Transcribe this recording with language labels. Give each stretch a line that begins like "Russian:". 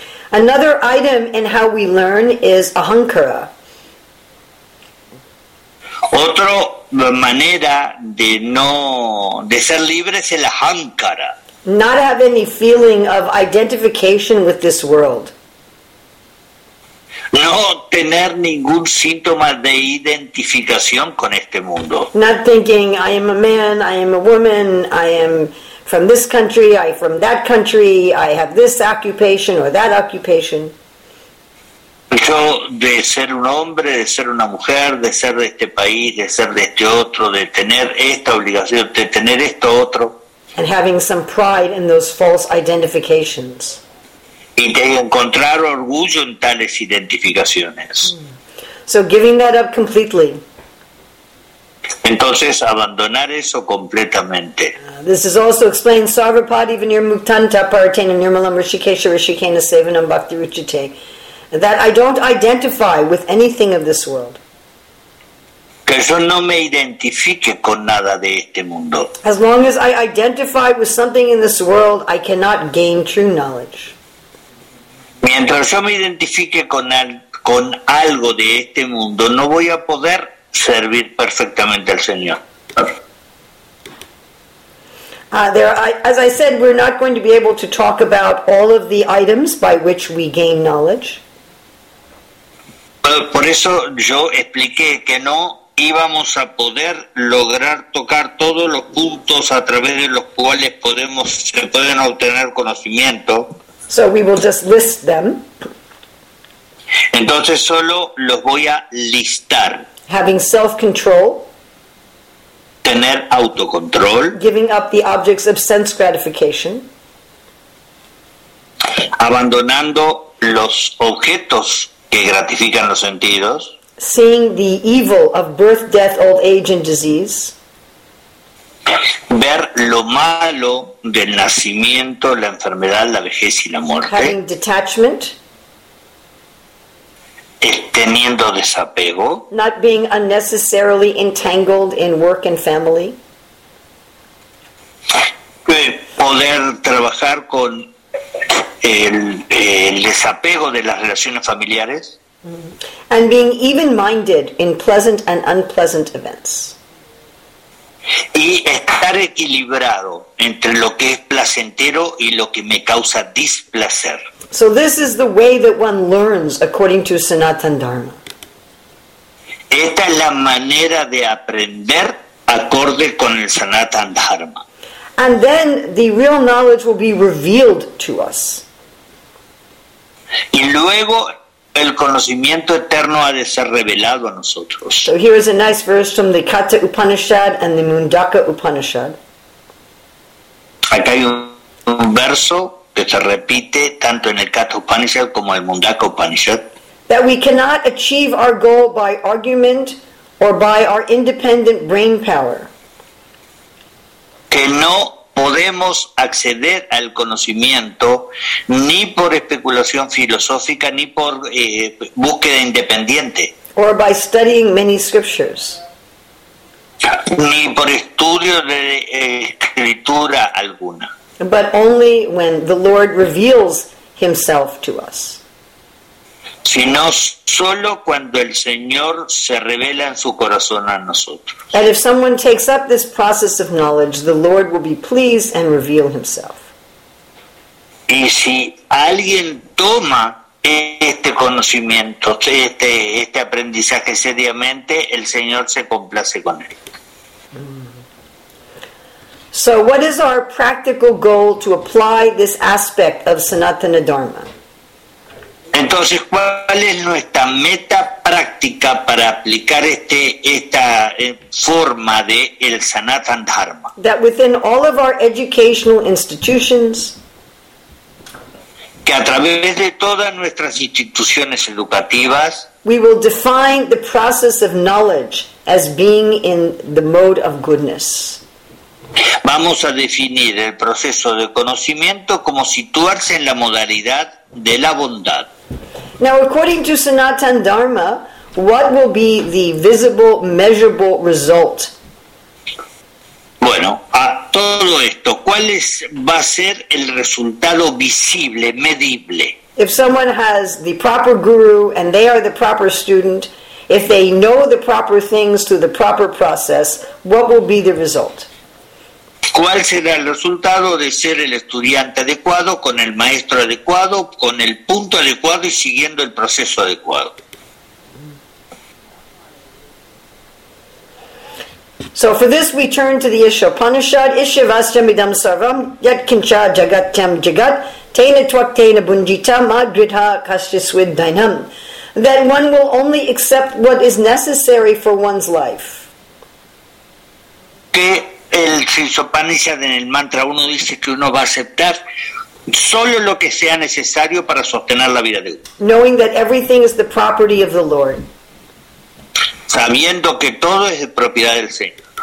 English: Another item in how we learn is ahankara.
Spanish: Otra manera de ser libre es el ahankara.
English: Not have any feeling of identification with this world.
Spanish: No tener ningún síntoma de identificación con este mundo.
English: Not thinking, I am a man, I am a woman, I am from this country, I am from that country, I have this occupation or that occupation.
Spanish: Yo de ser un hombre, de ser una mujer, de ser de este país, de ser de este otro, de tener esta obligación, de tener esto otro.
English: And having some pride in those false identifications.
Spanish: Y de encontrar orgullo en tales identificaciones.
English: So giving that up completely.
Spanish: Entonces, abandonar eso completamente.
English: This is also explained
Sanskrit: Sarvapadi Vinir Muktanta Paratena Nirmalam Rishikesha Rishikena Sevanam Bhakti Ruchite.
English: That I don't identify with anything of this world.
Spanish: Que yo no me identifique con nada de este mundo.
English: As long as I identify with something in this world, I cannot gain true knowledge.
Spanish: Mientras yo me identifique con algo de este mundo, no voy a poder servir perfectamente al Señor.
English: As I said, we're not going to be able to talk about all of the items by which we gain knowledge.
Spanish: Por eso yo expliqué que no íbamos a poder lograr tocar todos los puntos a través de los cuales se pueden obtener conocimiento.
English: So we will just list them.
Spanish: Entonces solo los voy a listar.
English: Having self-control.
Spanish: Tener autocontrol.
English: Giving up the objects of sense gratification.
Spanish: Abandonando los objetos que gratifican los sentidos.
English: Seeing the evil of birth, death, old age, and disease.
Spanish: Ver lo malo del nacimiento, la enfermedad, la vejez y la muerte.
English: Having detachment.
Spanish: Teniendo desapego.
English: Not being unnecessarily entangled in work and family.
Spanish: Poder trabajar con el desapego de las relaciones familiares.
English: And being even-minded in pleasant and unpleasant events.
Spanish: Y estar equilibrado entre lo que es placentero y lo que me causa displacer.
English: So this is the way that one learns according to Sanatan Dharma.
Spanish: Esta es la manera de aprender acorde con el Sanatan Dharma.
English: And then the real knowledge will be revealed to us.
Spanish: Y luego el conocimiento eterno ha de ser revelado a nosotros.
English: So here is a nice verse from the Katha Upanishad and the Mundaka Upanishad.
Spanish: Acá hay un verso que se repite tanto en el Katha Upanishad como el Mundaka Upanishad.
English: That we cannot achieve our goal by argument or by our independent brain power.
Spanish: Que no podemos acceder al conocimiento ni por especulación filosófica ni por búsqueda independiente.
English: Or by studying many scriptures.
Spanish: Ni por estudio de escritura alguna.
English: But only when the Lord reveals himself to us.
Spanish: Sino solo cuando el Señor se revela en su corazón a nosotros.
English: And if someone takes up this process of knowledge, the Lord will be pleased and reveal himself.
Spanish: Y si alguien toma este conocimiento, este aprendizaje seriamente, el Señor se complace con él.
English: So what is our practical goal to apply this aspect of Sanatana Dharma?
Spanish: Entonces, ¿cuál es nuestra meta práctica para aplicar esta forma de el Sanatana Dharma?
English: That within all of our educational institutions,
Spanish: que a través de todas nuestras instituciones educativas,
English: we will define the process of knowledge as being in the mode of goodness.
Spanish: Vamos a definir el proceso de conocimiento como situarse en la modalidad de la bondad.
English: Now, according to Sanatan Dharma, what will be the visible, measurable result?
Spanish: Bueno, a todo esto, ¿cuál es, va a ser el resultado visible, medible?
English: If someone has the proper guru and they are the proper student, if they know the proper things through the proper process, what will be the result?
Spanish: ¿Cuál será el resultado de ser el estudiante adecuado, con el maestro adecuado, con el punto adecuado y siguiendo el proceso adecuado?
English: So for this we turn to the Isha Upanishad.
Sanskrit: Isha Vasya Midam Sarvam Yat Kincha Jagat Kyam Jagat Tena Twak Tena Bunjita Ma Gridha Kashtiswid Dainam.
English: That one will only accept what is necessary for one's life.
Spanish: Que el Isha Upanishad en el mantra uno dice que uno va a aceptar solo lo que sea necesario para sostener la vida de uno.
English: Knowing that everything is the property of the Lord.
Spanish: Sabiendo que todo es de propiedad del Señor.